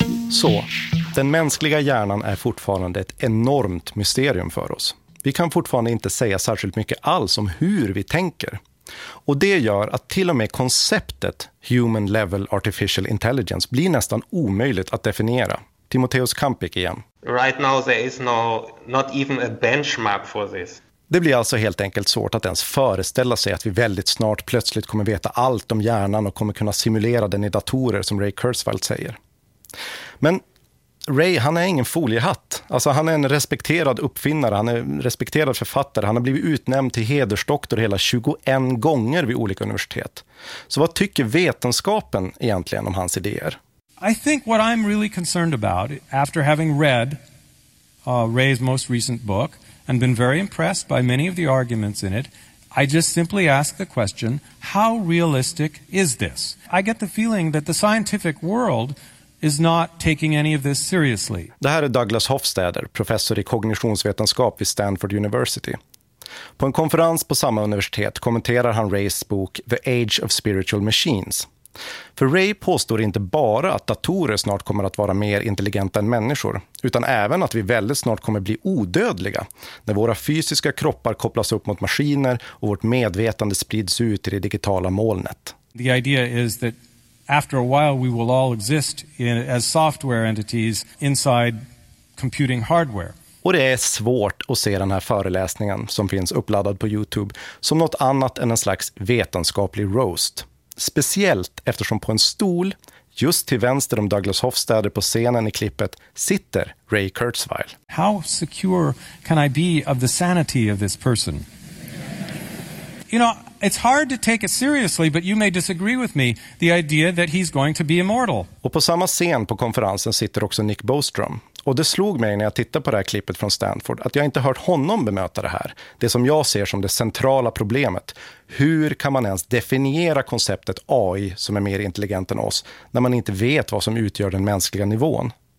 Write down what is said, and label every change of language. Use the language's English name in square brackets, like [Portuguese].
[Swedish] Så, den mänskliga hjärnan är fortfarande ett enormt mysterium för oss. Vi kan fortfarande inte säga särskilt mycket alls om hur vi tänker. Och det gör att till och med konceptet [English] human level artificial intelligence [Swedish] blir nästan omöjligt att definiera. Timoteus Kampik igen. [English] Right now there is not even a benchmark for this. [Swedish] Det blir alltså helt enkelt svårt att ens föreställa sig att vi väldigt snart plötsligt kommer veta allt om hjärnan och kommer kunna simulera den i datorer, som Ray Kurzweil säger. Men Ray, han är ingen foliehatt. Alltså han är en respekterad uppfinnare, han är en respekterad författare. Han har blivit utnämnd till hedersdoktor hela 21 gånger vid olika universitet. Så vad tycker vetenskapen egentligen om hans idéer? [English] I think what I'm really concerned about after having read Ray's most recent book and been very impressed by many of the arguments in it, I just simply ask the question, how realistic is this? I get the feeling that the scientific world is not taking any of this seriously. [Swedish] Det här är Douglas Hofstadter, professor i kognitionsvetenskap vid Stanford University. På en konferens på samma universitet kommenterar han Rays bok The Age of Spiritual Machines. För Ray påstår inte bara att datorer snart kommer att vara mer intelligenta än människor, utan även att vi väldigt snart kommer bli odödliga när våra fysiska kroppar kopplas upp mot maskiner och vårt medvetande sprids ut i det digitala molnet. [English] The idea is that after a while we will all exist in, as software entities inside computing hardware. [Swedish] Och det är svårt att se den här föreläsningen som finns uppladdad på YouTube som något annat än en slags vetenskaplig roast. Speciellt eftersom på en stol, just till vänster om Douglas Hofstadter på scenen i klippet, sitter Ray Kurzweil. [English] How secure can I be of the sanity of this person? You know, it's hard to take it seriously, but you may disagree with me, the idea that he's going to be immortal. [Swedish] Och på samma scen på konferensen sitter också Nick Bostrom. Och det slog mig när jag tittade på det här klippet från Stanford att jag inte hört honom bemöta det här. Det som jag ser som det centrala problemet. Hur kan man ens definiera konceptet AI som är mer intelligent än oss när man inte vet vad som utgör den mänskliga nivån?